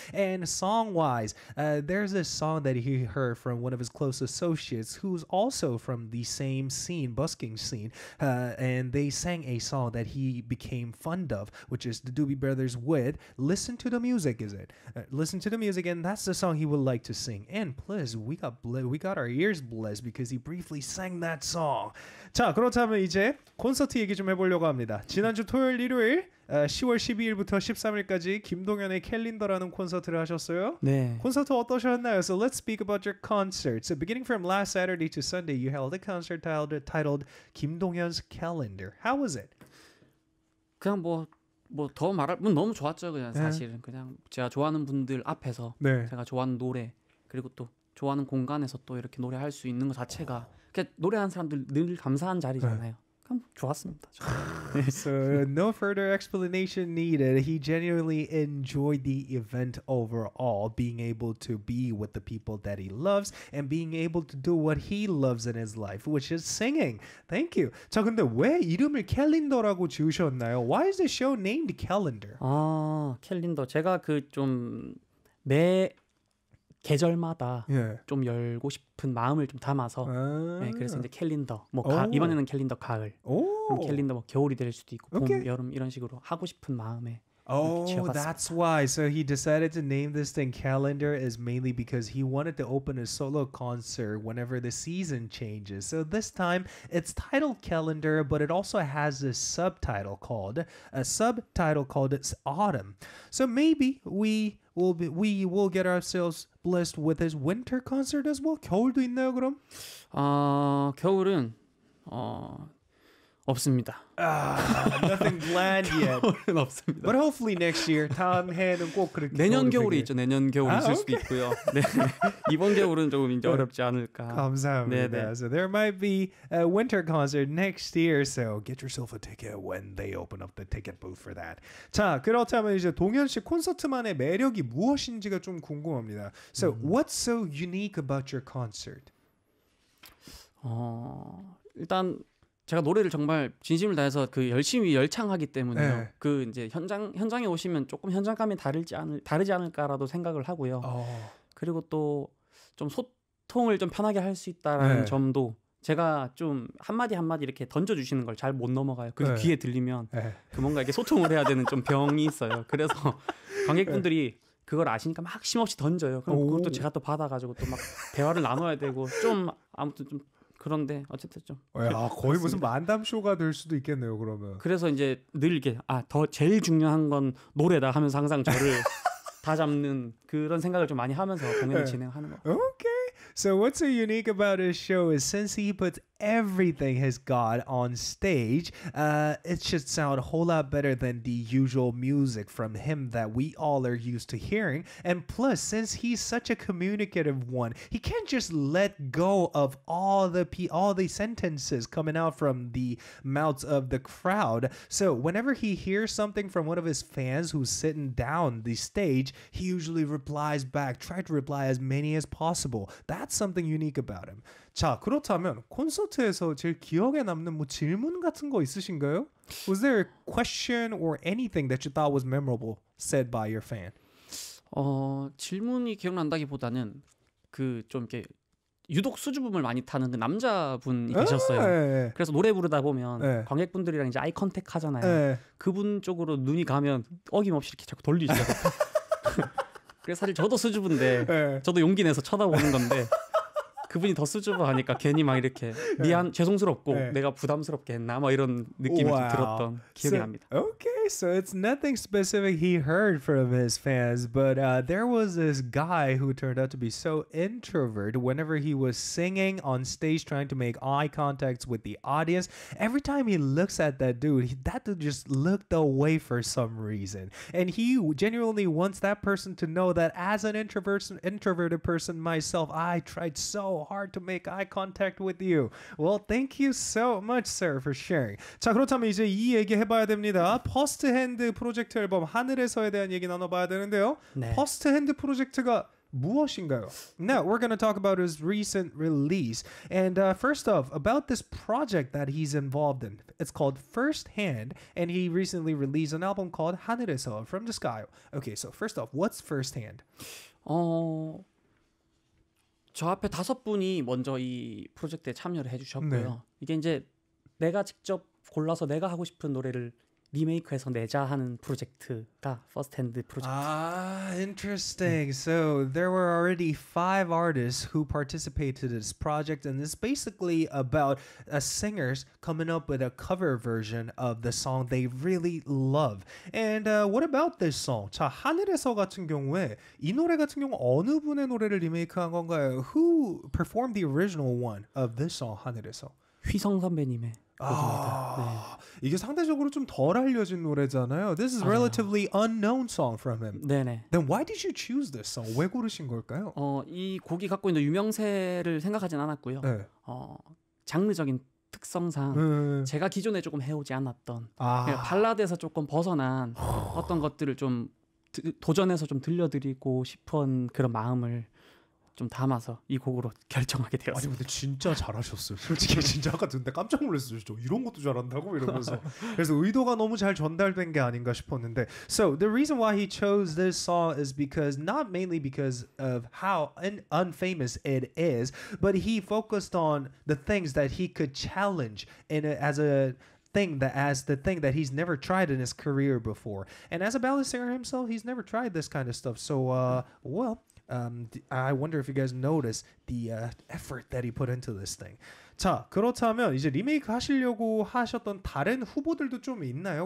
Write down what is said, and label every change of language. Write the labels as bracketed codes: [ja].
[en] And song-wise, there's a song that he heard from one of his close associates, who's also from the same scene, busking scene, and they sang a song that he became fond of, which is the Doobie Brothers with "Listen to the Music." Is it? Listen to the music, and that's the song he would like to sing. And please, we got our ears blessed because he briefly sang that song. [ko] 자, 그렇다면 이제 콘서트 얘기 좀 해보려고 합니다. 지난주 토요일, 일요일, 10월 12일부터 13일까지 김동현의 캘린더라는 콘서트를 하셨어요. 네. 콘서트 어떠셨나요? [en] So let's speak about your concert. So beginning from last Saturday to Sunday, you held a concert titled 김동현's Calendar. How was it? [ko] 그냥 뭐... 뭐 더 말할 건 너무 좋았죠. 그냥 사실은 네. 그냥 제가 좋아하는 분들 앞에서 네. 제가 좋아하는 노래 그리고 또 좋아하는 공간에서 또 이렇게 노래할 수 있는 것 자체가 그냥 노래하는 사람들 늘 감사한 자리잖아요. 네. 좋았습니다. [en] So no further explanation needed. He genuinely enjoyed the event overall, being able to be with the people that he loves and being able to do what he loves in his life, which is singing. Thank you. [ko] 자, 근데 왜 이름을 캘린더라고 지으셨나요? [en] Why is the show named Calendar? [ko] 아, 캘린더. 제가 그 좀 매 계절마다 예. 좀 열고 싶은 마음을 좀 담아서 아~ 네, 그래서 이제 캘린더 뭐 가, 이번에는 캘린더 가을 그럼 캘린더 뭐 겨울이 될 수도 있고 봄 [en] okay. [ko] 여름 이런 식으로 하고 싶은 마음에 [en] Oh, that's why. So he decided to name this thing Calendar is mainly because he wanted to open a solo concert whenever the season changes. So this time it's titled Calendar, but it also has a subtitle called It's Autumn. So maybe we will get ourselves blessed with his winter concert as well. [ko] 겨울도 있나요, 그럼? 겨울은 없습니다. [en] Nothing bland yet. [ko] 겨울은 없습니다. [en] But hopefully next year. [ko] 다음 해는 꼭 그렇게 내년 겨울이 있죠. 내년 겨울 있을 수도 있고요. 네. 이번 겨울은 조금 이제 어렵지 않을까. 감사합니다. 네네. [en] So there might be a winter concert next year. So get yourself a ticket when they open up the ticket booth for that. [ko] 자, 그렇다면 이제 동현 씨 콘서트만의 매력이 무엇인지가 좀 궁금합니다. [en] So what's so unique about your concert? [ko] 일단 제가 노래를 정말 진심을 다해서 그 열심히 열창하기 때문에 네. 그 이제 현장에 오시면 조금 현장감이 다르지 않을까라도 생각을 하고요. 그리고 또 좀 소통을 좀 편하게 할 수 있다라는 네. 점도 제가 좀 한마디 한마디 이렇게 던져주시는 걸 잘 못 넘어가요. 그 네. 귀에 들리면 네. 그 뭔가 이렇게 소통을 해야 되는 좀 병이 있어요. 그래서 관객분들이 네. 그걸 아시니까 막 힘없이 던져요. 그럼 그것도 제가 또 받아가지고 또 막 대화를 나눠야 되고 좀 아무튼 좀 그런데 어쨌든 좀 거의 그렇습니다. 무슨 만담쇼가 될 수도 있겠네요 그러면 그래서 이제 늘 이렇게 더 제일 중요한 건 노래다 하면서 항상 저를 다 잡는 그런 생각을 좀 많이 하면서 공연을 진행하는 거 [en] 오케이 okay. So what's so unique about his show is since he puts everything he's got on stage, it should sound a whole lot better than the usual music from him that we all are used to hearing. And plus, since he's such a communicative one, he can't just let go of all the sentences coming out from the mouths of the crowd. So whenever he hears something from one of his fans who's sitting down the stage, he usually replies back, try to reply as many as possible. That's something unique about him. [ko] 자, 그렇다면 콘서트에서 제일 기억에 남는 뭐 질문 같은 거 있으신가요? [en] Was there a question or anything that you thought was memorable said by your fan? [ko] 질문이 기억난다기보다는 그 좀 이렇게 유독 수줍음을 많이 타는 그 남자분이 계셨어요. 에이. 그래서 노래 부르다 보면 에이. 관객분들이랑 이제 아이컨택 하잖아요. 에이. 그분 쪽으로 눈이 가면 어김없이 이렇게 자꾸 돌리시더라고요. 그래서 사실 저도 수줍은데 에이. 저도 용기 내서 쳐다보는 건데 그분이 더 수줍어하니까 괜히 막 이렇게 미안, 죄송스럽고 네. 내가 부담스럽게 했나? 막 이런 느낌을 wow. 좀 들었던 기억이 [en] so, [ko] 납니다. [en] Okay, so it's nothing specific he heard from his fans, but there was this guy who turned out to be so introvert whenever he was singing on stage trying to make eye contact with the audience. Every time he looks at that dude, that dude just looked away for some reason. And he genuinely wants that person to know that as an introverted person myself, I tried so hard to make eye contact with you. Well, thank you so much, sir, for sharing. [ko] 자, 그렇다면 이제 이 얘기 해봐야 됩니다. 퍼스트 핸드 프로젝트 앨범 하늘에서에 대한 얘기 나눠봐야 되는데요. 퍼스트 핸드 프로젝트가 무엇인가요? [en] Now, we're going to talk about his recent release. And first off, about this project that he's involved in. It's called First Hand, and he recently released an album called 하늘에서, From the Sky. Okay, so first off, what's First Hand? [ko] 저 앞에 다섯 분이 먼저 이 프로젝트에 참여를 해주셨고요. 네. 이게 이제 내가 직접 골라서 내가 하고 싶은 노래를 리메이크해서 내자 하는 프로젝트가 First Hand 프로젝트. 아, interesting. 네. [en] So there were already five artists who participated in this project, and it's basically about singers coming up with a cover version of the song they really love. And what about this song? [ko] 자, 하늘에서 같은 경우에 이 노래 같은 경우 어느 분의 노래를 리메이크한 건가요? [en] Who performed the original one of this song, 하늘에서? [ko] 휘성 선배님의. 아, 네. 이게 상대적으로 좀 덜 알려진 노래잖아요. [en] This is a relatively unknown song from him. [ko] 네네. [en] Then why did you choose this song? [ko] 왜 고르신 걸까요? 이 곡이 갖고 있는 유명세를 생각하진 않았고요. 네. 장르적인 특성상 제가 기존에 조금 해오지 않았던 발라드에서 조금 벗어난 어떤 것들을 좀 도전해서 좀 들려드리고 싶은 그런 마음을 좀 담아서 이 곡으로 결정하게 되었습니다. 아니 근데 진짜 잘하셨어요. 솔직히 진짜 아까 듣는데 깜짝 놀랐어요. 저 이런 것도 잘한다고 이러면서. 그래서 의도가 너무 잘 전달된 게 아닌가 싶었는데. [en] So the reason why he chose this song is because not mainly because of how unfamous it is, but he focused on the things that he could challenge in a, as a thing that as the thing that he's never tried in his career before. And as a ballad singer himself, he's never tried this kind of stuff. So well. I wonder if you guys notice the effort that he put into this thing. [ko] 자, 그렇다면 이제 리메이크 하시려고 하셨던 다른 후보들도 좀 있나요?